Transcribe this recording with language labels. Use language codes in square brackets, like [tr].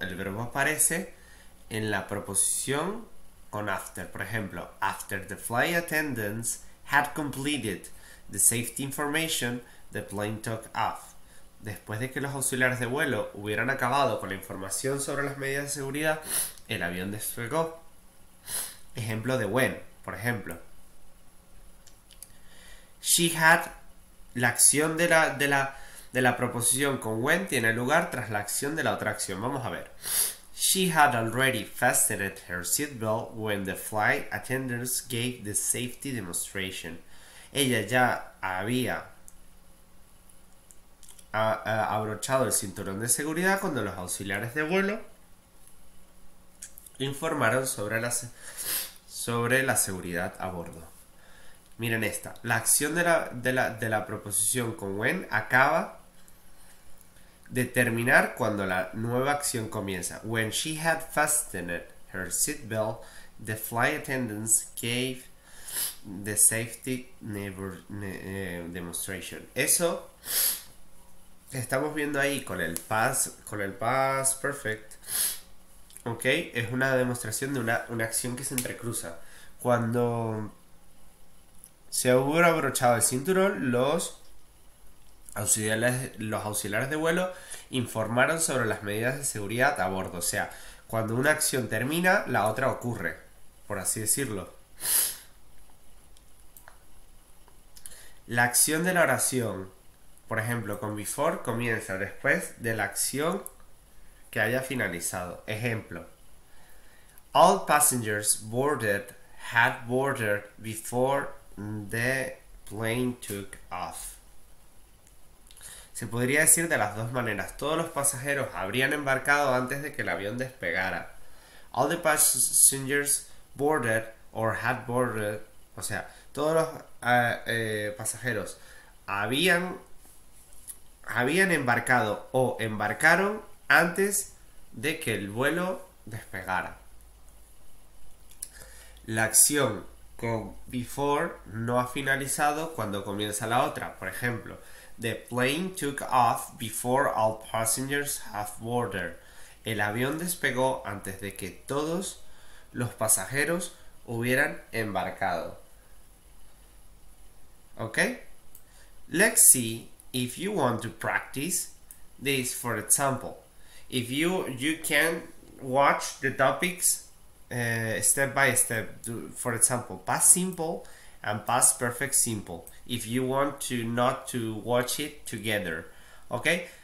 [es] El verbo aparece en la proposición con after. Por ejemplo, [en] after the flight attendants had completed the safety information, the plane took off. [es] Después de que los auxiliares de vuelo hubieran acabado con la información sobre las medidas de seguridad, el avión despegó. Ejemplo de when, por ejemplo. [en] She had. [es] La acción de la proposición con when tiene lugar tras la acción de la otra acción. Vamos a ver. [en] She had already fastened her seatbelt when the flight attendants gave the safety demonstration. [es] Ella ya había abrochado el cinturón de seguridad cuando los auxiliares de vuelo informaron sobre la seguridad a bordo. Miren esta. La acción de la proposición con when acaba de terminar cuando la nueva acción comienza. [en] When she had fastened her seatbelt, the flight attendants gave the safety demonstration. [es] Eso estamos viendo ahí con el past perfect. ¿Ok? Es una demostración de una acción que se entrecruza. Cuando se hubiera abrochado el cinturón, los auxiliares de vuelo informaron sobre las medidas de seguridad a bordo. O sea, cuando una acción termina, la otra ocurre, por así decirlo. La acción de la oración, por ejemplo, con before, comienza después de la acción que haya finalizado. Ejemplo. [en] All passengers boarded had boarded before the plane took off. [es] Se podría decir de las dos maneras. Todos los pasajeros habrían embarcado antes de que el avión despegara. [en] All the passengers boarded or had boarded. [es] O sea, todos los pasajeros habían embarcado o embarcaron antes de que el vuelo despegara. La acción con before no ha finalizado cuando comienza la otra. Por ejemplo, [en] the plane took off before all passengers have boarded. [es] El avión despegó antes de que todos los pasajeros hubieran embarcado. [en] ¿Ok? Let's see. If you want to practice this, for example, if you can watch the topics step by step, for example, past simple and past perfect simple, if you want to not to watch it together, okay?